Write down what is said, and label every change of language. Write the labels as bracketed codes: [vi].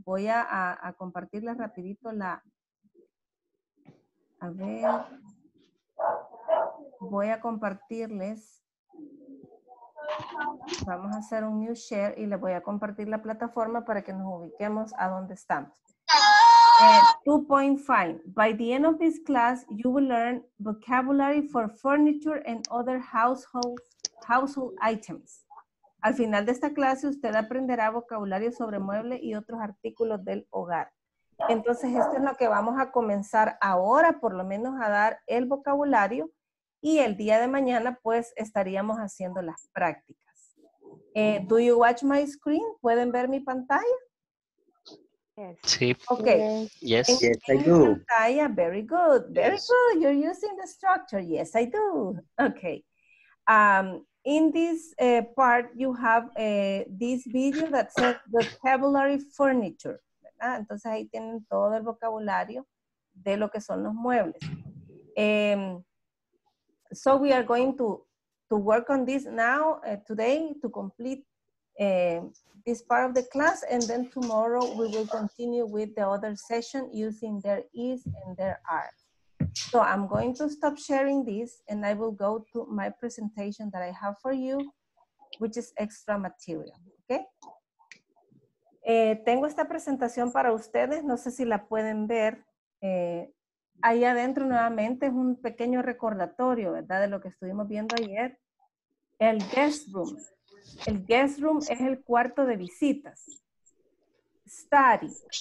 [es] Voy a compartirles rapidito la... A ver... Voy a compartirles... Vamos a hacer un [en] new share [es] y les voy a compartir la plataforma para que nos ubiquemos a dónde estamos. 2.5. [en] By the end of this class, you will learn vocabulary for furniture and other household items. [es] Al final de esta clase, usted aprenderá vocabulario sobre muebles y otros artículos del hogar. Entonces, esto es lo que vamos a comenzar ahora, por lo menos a dar el vocabulario. Y el día de mañana, pues, estaríamos haciendo las prácticas. [en] Do you watch my screen? [es] ¿Pueden ver mi pantalla? [en] Yes. [es] Sí. [en] Okay. Yes. Yes, I do. Very good. Very good. You're using the structure. Yes, I do. Okay. In this part, you have this video that says vocabulary furniture. [es] ¿Verdad? Entonces ahí tienen todo el vocabulario de lo que son los muebles. [en] So we are going to work on this now, today, to complete this part of the class, and then tomorrow we will continue with the other session using there is and there are. So I'm going to stop sharing this and I will go to my presentation that I have for you, which is extra material, okay? [es] Tengo esta presentación para ustedes, no sé si la pueden ver. Ahí adentro nuevamente es un pequeño recordatorio, ¿verdad? De lo que estuvimos viendo ayer. El guest room. El guest room es el cuarto de visitas. Study.